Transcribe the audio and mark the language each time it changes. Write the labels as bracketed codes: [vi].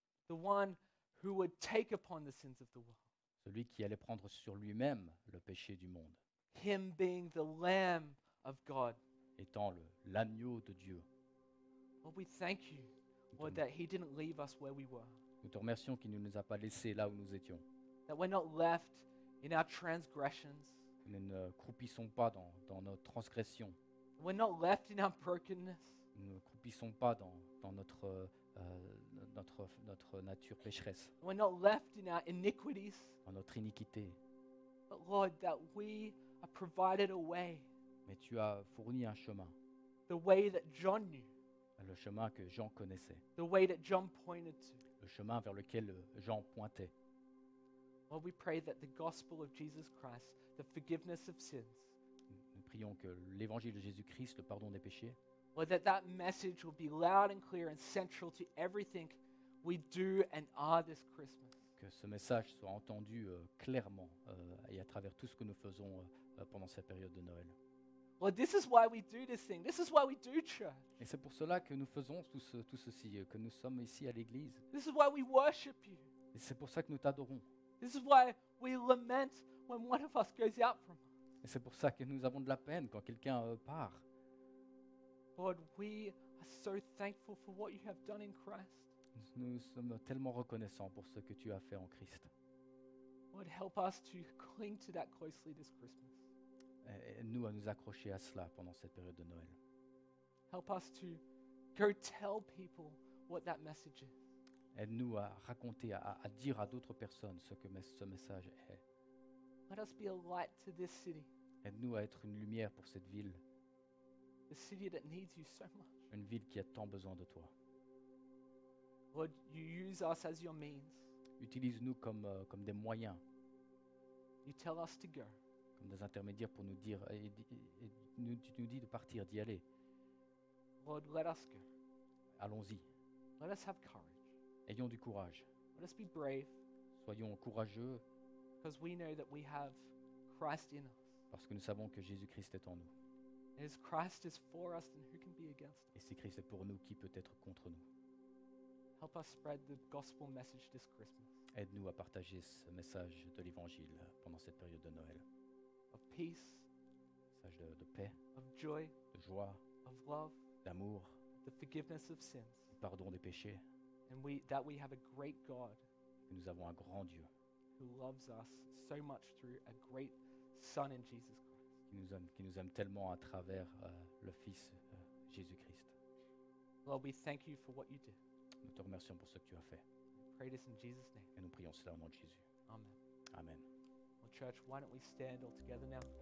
[en] The one who would take upon the sins of the world. [fr] Celui qui allait prendre sur lui-même le péché du monde. [en] Him being the Lamb of God. [fr] Étant l'agneau de Dieu. [en] Lord, we thank you, Lord, that he didn't leave us where we were. [fr] Nous te remercions qu'il ne nous a pas laissés là où nous étions. [en] That we're not left in our transgressions. [fr] Nous ne croupissons pas dans nos transgressions. [en] We're not left in our brokenness. [fr] Nous ne croupissons pas dans notre nature pécheresse. [en] We're not left in our iniquities. [fr] Dans notre iniquité. [en] But Lord, that we are provided a way. [fr] Mais tu as fourni un chemin. [en] The way that John knew. [fr] Le chemin que Jean connaissait. [en] The way that John pointed to. [fr] Le chemin vers lequel Jean pointait. [en] Lord, we pray that the gospel of Jesus Christ, the forgiveness of sins. [fr] Nous prions que l'évangile de Jésus-Christ, le pardon des péchés. [en] Lord, that message will be loud and clear and central to everything we do and are this Christmas. [fr] Que ce message soit entendu clairement et à travers tout ce que nous faisons pendant cette période de Noël. [en] Lord, this is why we do this thing. This is why we do church. [fr] Et c'est pour cela que nous faisons tout ceci, que nous sommes ici à l'église. [en] This is why we worship you. [fr] Et c'est pour ça que nous t'adorons. [en] This is why we lament when one of us goes out from us. [fr] Et c'est pour ça que nous avons de la peine quand quelqu'un part. [en] Lord, we are so thankful for what you have done in Christ. [fr] Nous sommes tellement reconnaissants pour ce que tu as fait en Christ. [en] Lord, help us to cling to that closely this Christmas. [fr] Aide-nous à nous accrocher à cela pendant cette période de Noël. [en] Help us to go tell people what that message is. [fr] Aide-nous à raconter, à dire à d'autres personnes ce que ce message est. [en] Let us be a light to this city. [fr] Aide-nous à être une lumière pour cette ville. [en] A city that needs you so much. [fr] Une ville qui a tant besoin de toi. [en] Lord, you use us as your means. [fr] Utilise-nous comme des moyens. [en] You tell us to go. [fr] Comme des intermédiaires pour nous dire nous dis de partir, d'y aller. [en] Lord, let us go. [fr] Allons-y. [en] Let us have courage. [fr] Ayons du courage. [en] Let us be brave. [fr] Soyons courageux. [en] Because we know that we have Christ in us. [fr] Parce que nous savons que Jésus-Christ est en nous. [en] If Christ is for us, then who can be against us? [fr] Et si Christ est pour nous, qui peut être contre nous? [en] Help us spread the gospel message this Christmas. [fr] Aide-nous à partager ce message de l'Évangile pendant cette période de Noël. [en] Of peace. [fr] Message de paix. [en] Of joy. [fr] De joie. [en] Of love. [fr] d'amour, [en] the forgiveness of sins, [fr] le pardon des péchés, [en] and we, that we have a great God, [fr] que nous avons un grand Dieu, [en] who loves us so much through a great Son in Jesus Christ, [fr] qui nous aime tellement à travers le Fils Jésus-Christ. [en] Lord, we thank you for what you did. [fr] Nous te remercions pour ce que tu as fait. [en] Pray this in Jesus' name. [fr] Et nous prions cela au nom de Jésus. [en] Amen. [fr] Amen. [en] Well, church, why don't we stand all together now?